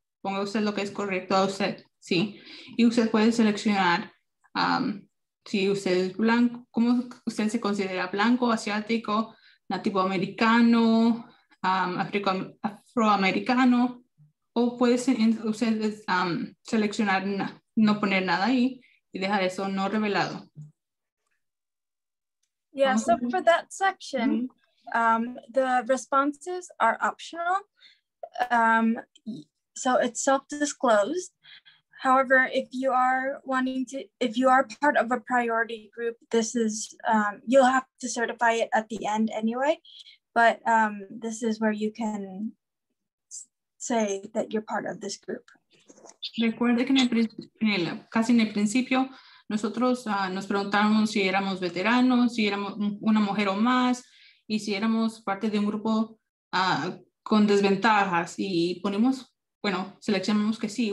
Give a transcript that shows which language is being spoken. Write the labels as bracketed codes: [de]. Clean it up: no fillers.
[es] Ponga usted lo que es correcto a usted. Sí. Y usted puede seleccionar si usted es blanco. ¿Cómo usted se considera? ¿Blanco, asiático, nativo americano, afroamericano? O puede usted seleccionar no poner nada ahí y dejar eso no revelado. [en] Yeah, so for that section, the responses are optional. So it's self-disclosed. However, if you are wanting to, if you are part of a priority group, this is, you'll have to certify it at the end anyway, but this is where you can say that you're part of this group. [es] Recuerde que casi en el principio, nosotros nos preguntamos si éramos veteranos, si éramos una mujer o más, y si éramos parte de un grupo con desventajas, y ponemos, bueno, seleccionamos que sí.